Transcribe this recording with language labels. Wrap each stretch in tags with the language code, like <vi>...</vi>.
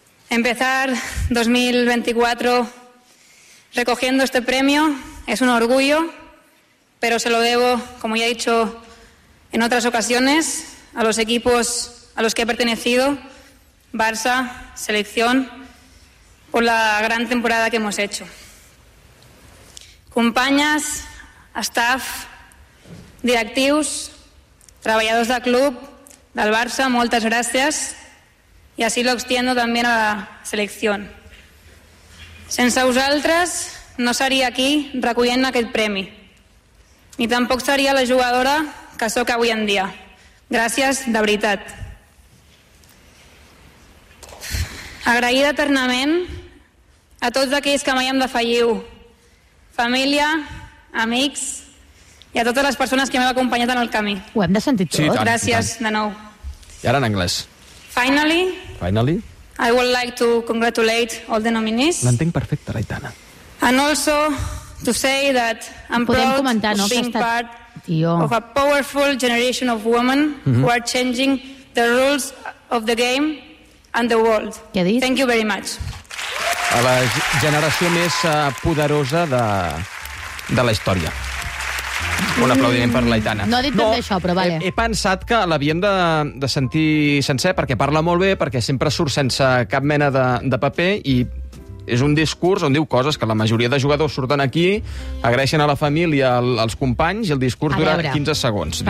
<es>Empezar 2024 recogiendo este premio es un orgullo, pero se lo debo, como ya he dicho en otras ocasiones, a los equipos a los que he pertenecido, Barça, Selección, por la gran temporada que hemos hecho.</es> <ca>Compañas, a staff, directius, treballadors del club, del Barça, moltes gràcies. I així</ca> <es>lo extiendo</es> <ca>també a la selecció. Sense vosaltres no seria aquí recollint aquest premi. Ni tampoc seria la jugadora que sóc avui en dia. Gràcies, de veritat. Agraïda eternament a tots aquells que mai em defalliu. Família, amics... i a totes les persones que m'heu acompanyat en el camí. Ho hem de sentir tot. Sí, tant, gràcies, tant. De nou. I ara en anglès.</ca> <en>Finally, I would like to congratulate all the nominees.</en> <ca>L'entenc perfecte, l'Aitana.</ca> <en>And also to say that I'm</en> <ca>podem</ca> <en>proud</en> <ca>comentar, no,</ca> <en>of being</en> <ca>estat...</ca> <en>part Tio. Of a powerful generation of women mm-hmm. who are changing the rules of the game and the world.</en> <ca>Què ha dit?</ca> <en>Thank you very much.</en> <ca>A la generació més poderosa de la història. Un aplaudiment per l'Aitana. No ha dit també això, però vale. He pensat que l'havien de sentir sencer, perquè parla molt bé, perquè sempre surt sense cap mena de paper, i és un discurs on diu coses que la majoria de jugadors surten aquí, agraeixen a la família, als companys, i el discurs dura 15 segons.</ca>